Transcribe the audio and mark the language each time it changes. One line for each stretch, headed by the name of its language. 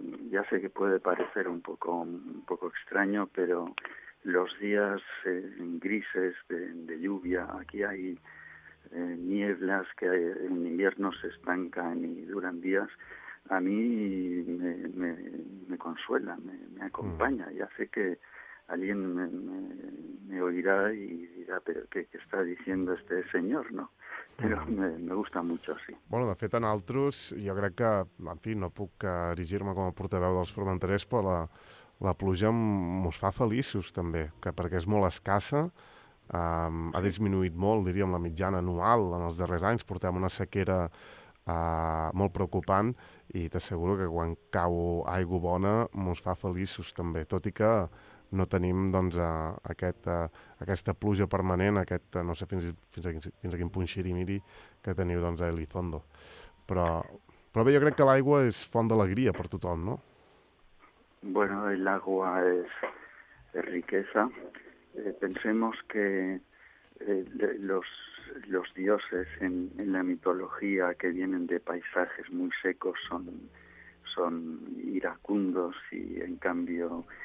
Spanish: ya sé que puede parecer un poco extraño, pero los días grises de lluvia, aquí hay nieblas que en invierno se estancan y duran días, a mí me consuela, me acompaña. Ya sé que alguien me oirá y dirá, pero ¿qué está diciendo este señor, no? Però me gusta mucho, sí.
Catalan: Bueno, de fet, en altres, jo crec que, en fi, no puc erigir-me com a portaveu dels formenters, però la pluja mos fa feliços, també, perquè és molt escassa, ha disminuït molt, diríem, la mitjana anual en els darrers anys, portem una sequera molt preocupant, i t'asseguro que quan cau aigua bona mos fa feliços, també, tot i que no tenim doncs, aquesta pluja permanent, aquest, no sé fins a quin punt xirimiri que teniu doncs, a Elizondo. Però bé, jo crec que l'aigua és font d'alegria per tothom, no?
Spanish: Bueno, el agua es riqueza. Pensemos que los dioses en la mitología que vienen de paisajes muy secos son iracundos y en cambio...